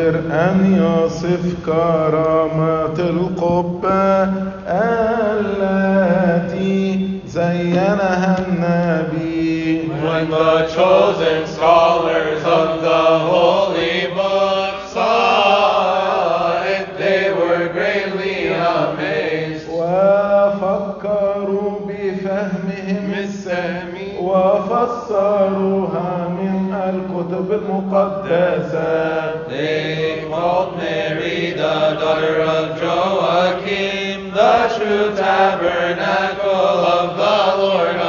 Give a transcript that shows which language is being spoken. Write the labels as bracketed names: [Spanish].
[Arabic] أن يصف كرامة القبة التي زينها النبي. [English] When the chosen scholars of the Holy Book saw it, they were greatly amazed. [Arabic] وفكروا بفهمهم السامي وفسروها من الكتب المقدسة. [English] They called Mary the daughter of Joachim, the true tabernacle of the Lord.